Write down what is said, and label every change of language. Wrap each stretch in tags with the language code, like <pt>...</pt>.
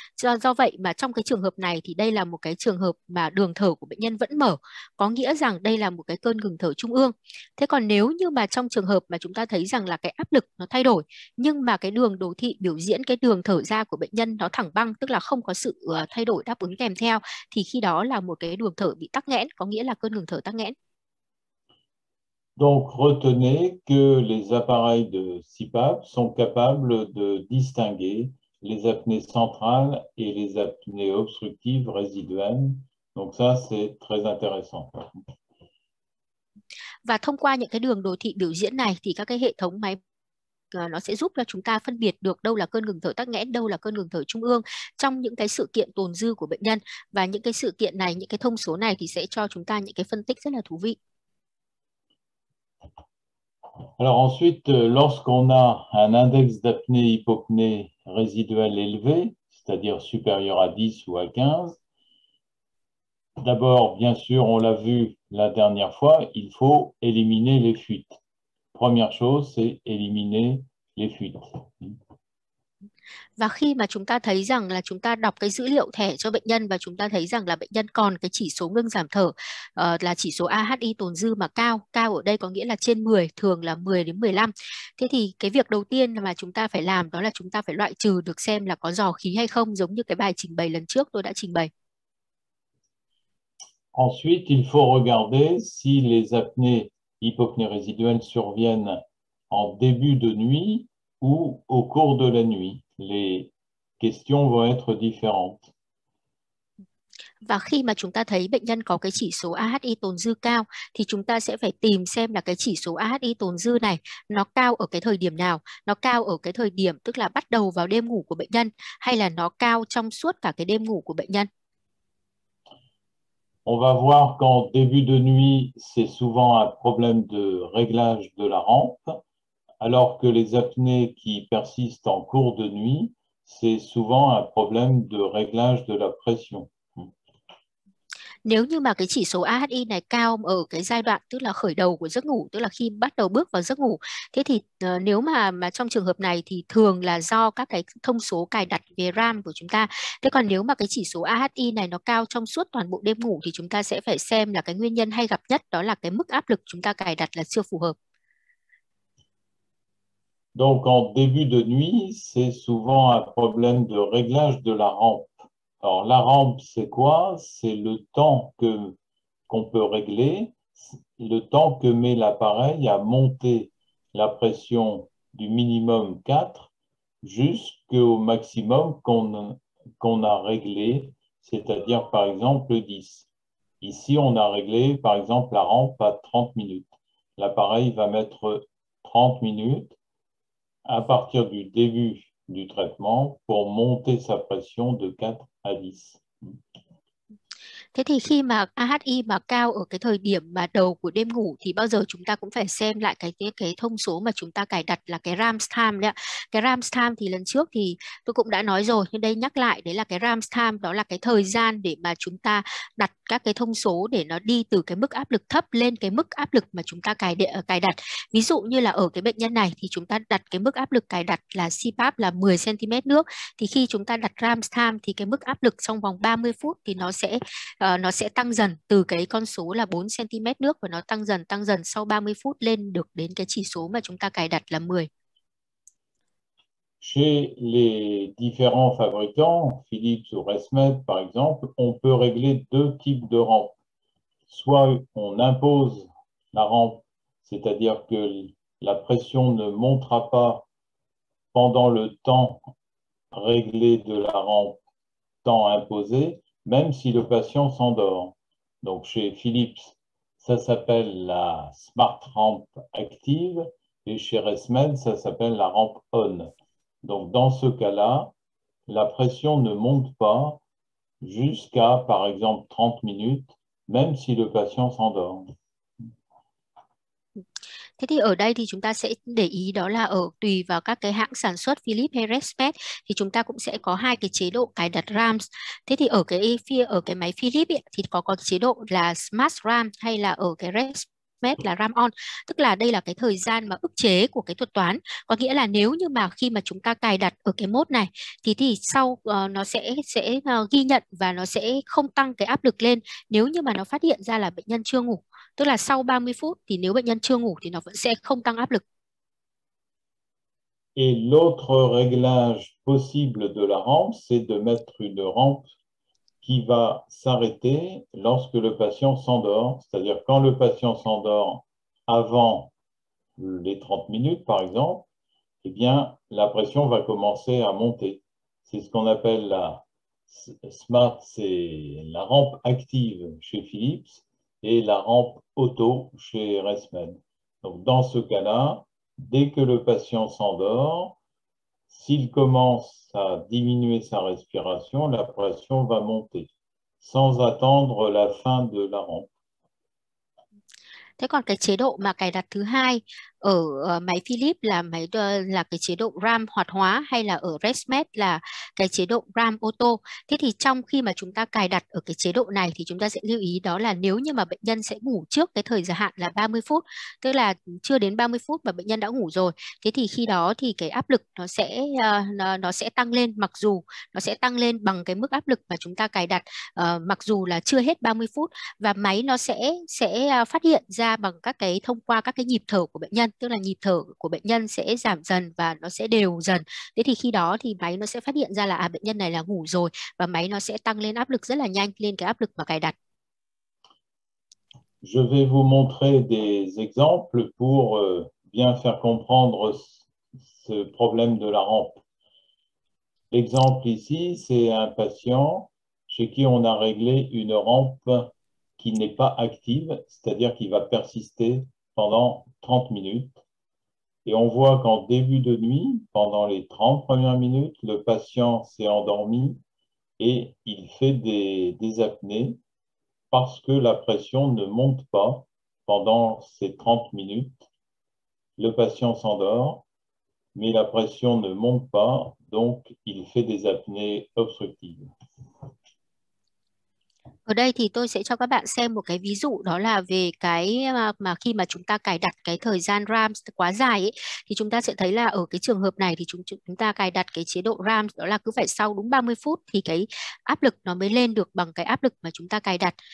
<vi>Do vậy mà trong cái trường hợp này thì đây là một cái trường hợp mà đường thở của bệnh nhân vẫn mở, có nghĩa rằng đây là một cái cơn ngừng thở trung ương. Thế còn nếu như mà trong trường hợp mà chúng ta thấy rằng là cái áp lực nó thay đổi, nhưng mà cái đường đồ thị biểu diễn cái đường thở ra của bệnh nhân nó thẳng băng, tức là không có sự thay đổi đáp ứng kèm theo, thì khi đó là một cái đường thở bị tắc nghẽn, có nghĩa là cơn ngừng thở tắc nghẽn.</vi> <fr>Donc retenez que les appareils de CPAP sont capables de distinguer les apnées centrales et les apnées obstructives résiduelles. Donc ça, c'est très intéressant.</fr> <vi>Và thông qua những cái đường đồ thị biểu diễn này thì các cái hệ thống máy nó sẽ giúp cho chúng ta phân biệt được đâu là cơn ngừng thở tắc nghẽn, đâu là cơn ngừng thở trung ương trong những cái sự kiện tồn dư của bệnh nhân. Và những cái sự kiện này, những cái thông số này thì sẽ cho chúng ta những cái phân tích rất là thú vị.</vi> <fr>Alors ensuite, lorsqu'on a un index d'apnée hypopnée résiduelle élevé, c'est-à-dire supérieur à 10 ou à 15, d'abord, bien sûr, on l'a vu la dernière fois, il faut éliminer les fuites. Première chose, c'est éliminer les fuites.</fr> <vi>Và khi mà chúng ta thấy rằng là chúng ta đọc cái dữ liệu thẻ cho bệnh nhân và chúng ta thấy rằng là bệnh nhân còn cái chỉ số ngưng giảm thở là chỉ số AHI tồn dư mà cao ở đây có nghĩa là trên 10, thường là 10 đến 15. Thế thì cái việc đầu tiên mà chúng ta phải làm đó là chúng ta phải loại trừ được xem là có giò khí hay không, giống như cái bài trình bày lần trước tôi đã trình bày.</vi> <fr>Ensuite, il faut regarder si les apnées hypopnées résiduelles surviennent en début de nuit ou au cours de la nuit. Les questions vont être différentes.</fr> <vi>Và khi mà chúng ta thấy bệnh nhân có cái chỉ số AHI tồn dư cao thì chúng ta sẽ phải tìm xem là cái chỉ số AHI tồn dư này nó cao ở cái thời điểm nào, nó cao ở cái thời điểm tức là bắt đầu vào đêm ngủ của bệnh nhân hay là nó cao trong suốt cả cái đêm ngủ của bệnh nhân.</vi> <fr>On va voir qu'en début de nuit, c'est souvent un problème de réglage de la rampe, alors que les apnées qui persistent en cours de nuit, c'est souvent un problème de réglage de la pression.</fr> <vi>Nếu như mà cái chỉ số AHI này cao ở cái giai đoạn tức là khởi đầu của giấc ngủ, tức là khi bắt đầu bước vào giấc ngủ, thế thì nếu mà trong trường hợp này thì thường là do các cái thông số cài đặt về RAM của chúng ta. Thế còn nếu mà cái chỉ số AHI này nó cao trong suốt toàn bộ đêm ngủ thì chúng ta sẽ phải xem là cái nguyên nhân hay gặp nhất đó là cái mức áp lực chúng ta cài đặt là chưa phù hợp.</vi> <fr>Donc en début de nuit, c'est souvent un problème de réglage de la rampe. Alors la rampe, c'est quoi? C'est le temps qu'on peut régler, le temps que met l'appareil à monter la pression du minimum 4 jusqu'au maximum qu'on a réglé, c'est-à-dire par exemple 10. Ici, on a réglé par exemple la rampe à 30 minutes. L'appareil va mettre 30 minutes à partir du début du traitement pour monter sa pression de 4 à 10.</fr> <vi>Thế thì khi mà AHI mà cao ở cái thời điểm mà đầu của đêm ngủ thì bao giờ chúng ta cũng phải xem lại cái thông số mà chúng ta cài đặt là cái RAMS time đấy ạ. Cái RAMS time thì lần trước thì tôi cũng đã nói rồi, nhưng đây nhắc lại đấy là cái RAMS time đó là cái thời gian để mà chúng ta đặt các cái thông số để nó đi từ cái mức áp lực thấp lên cái mức áp lực mà chúng ta cài đặt. Ví dụ như là ở cái bệnh nhân này thì chúng ta đặt cái mức áp lực cài đặt là CPAP là 10 cm nước, thì khi chúng ta đặt RAMS time thì cái mức áp lực trong vòng 30 phút thì nó sẽ nó sẽ tăng dần từ cái con số là 4 cm nước, và nó tăng dần sau 30 phút lên được đến cái chỉ số mà chúng ta cài đặt là 10.</vi> <fr>Chez les différents fabricants, Philips ou ResMed par exemple, on peut régler deux types de rampes. Soit on impose la rampe, c'est-à-dire que la pression ne montera pas pendant le temps réglé de la rampe, temps imposé, même si le patient s'endort. Donc chez Philips, ça s'appelle la Smart Ramp Active et chez ResMed, ça s'appelle la rampe On. Donc dans ce cas-là, la pression ne monte pas jusqu'à, par exemple, 30 minutes, même si le patient s'endort.</fr> <vi>Thế thì ở đây thì chúng ta sẽ để ý đó là ở tùy vào các cái hãng sản xuất Philips hay ResMed thì chúng ta cũng sẽ có hai cái chế độ cài đặt RAM. Thế thì ở cái máy Philips ấy, thì có chế độ là Smart RAM hay là ở cái ResMed là RAM On. Tức là đây là cái thời gian mà ức chế của cái thuật toán. Có nghĩa là nếu như mà khi mà chúng ta cài đặt ở cái mode này thì sau nó sẽ ghi nhận và nó sẽ không tăng cái áp lực lên nếu như mà nó phát hiện ra là bệnh nhân chưa ngủ. Tức là sau 30 phút thì nếu bệnh nhân chưa ngủ thì nó vẫn sẽ không tăng áp lực.</vi> <fr>Et l'autre réglage possible de la rampe, c'est de mettre une rampe qui va s'arrêter lorsque le patient s'endort, c'est-à-dire quand le patient s'endort avant les 30 minutes, par exemple, eh bien, la pression va commencer à monter. C'est ce qu'on appelle la Smart, c'est la rampe active chez Philips et la rampe auto chez ResMed. Donc, dans ce cas-là, dès que le patient s'endort, s'il commence à diminuer sa respiration, la pression va monter sans attendre la fin de la rampe.</fr> <vi>Thế còn cái chế độ mà cài đặt thứ hai ở máy Philips là cái chế độ RAM hoạt hóa hay là ở ResMed là cái chế độ RAM ô tô. Thế thì trong khi mà chúng ta cài đặt ở cái chế độ này thì chúng ta sẽ lưu ý đó là nếu như mà bệnh nhân sẽ ngủ trước cái thời gian hạn là 30 phút, tức là chưa đến 30 phút mà bệnh nhân đã ngủ rồi. Thế thì khi đó thì cái áp lực nó sẽ tăng lên, mặc dù nó sẽ tăng lên bằng cái mức áp lực mà chúng ta cài đặt mặc dù là chưa hết 30 phút, và máy nó sẽ phát hiện ra bằng thông qua các cái nhịp thở của bệnh nhân. Tức là nhịp thở của bệnh nhân sẽ giảm dần và nó sẽ đều dần. Thế thì khi đó thì máy nó sẽ phát hiện ra là bệnh nhân này là ngủ rồi, và máy nó sẽ tăng lên áp lực rất là nhanh lên cái áp lực mà cài đặt.</vi> <fr>Je vais vous montrer des exemples pour bien faire comprendre ce problème de la rampe. L'exemple ici, c'est un patient chez qui on a réglé une rampe qui n'est pas active, c'est-à-dire qui va persister pendant 30 minutes. Et on voit qu'en début de nuit, pendant les 30 premières minutes, le patient s'est endormi et il fait des apnées, parce que la pression ne monte pas pendant ces 30 minutes. Le patient s'endort, mais la pression ne monte pas, donc il fait des apnées obstructives.</fr> <vi>Ở đây thì tôi sẽ cho các bạn xem một cái ví dụ, đó là về cái mà khi mà chúng ta cài đặt cái thời gian RAM quá dài ấy, thì chúng ta sẽ thấy là ở cái trường hợp này thì chúng ta cài đặt cái chế độ RAM đó là cứ phải sau đúng 30 phút thì cái áp lực nó mới lên được bằng cái áp lực mà chúng ta cài đặt.</vi>